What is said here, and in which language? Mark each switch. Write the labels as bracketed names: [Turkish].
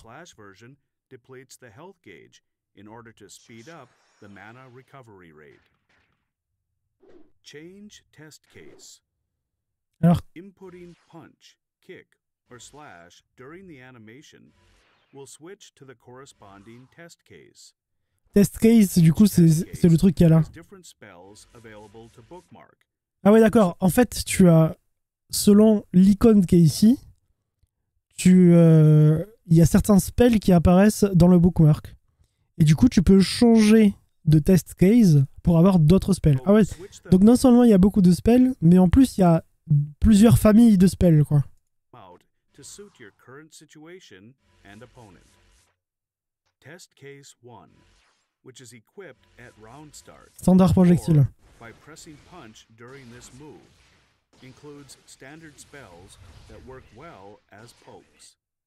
[English] Slash version depletes the health gauge in order to speed up the mana recovery rate. Change test case. [French] Alors, [English] inputting punch, kick, or slash during the animation will switch to the corresponding test case. [French] Test case, du coup, c'est le truc qu'il y a là. [English] Different spells available to bookmark. [French] Ah ouais, d'accord. En fait, tu as, selon l'icône qui est ici, il y a certains spells qui apparaissent dans le bookmark. Et du coup, tu peux changer de test case pour avoir d'autres spells. Ah ouais. Donc non seulement il y a beaucoup de spells, mais en plus il y a plusieurs familles de spells quoi. [English] To suit your current situation and opponent. Test case 1, which is equipped at round start. Standard projectile. By pressing punch during this move includes standard spells that work well as pokes.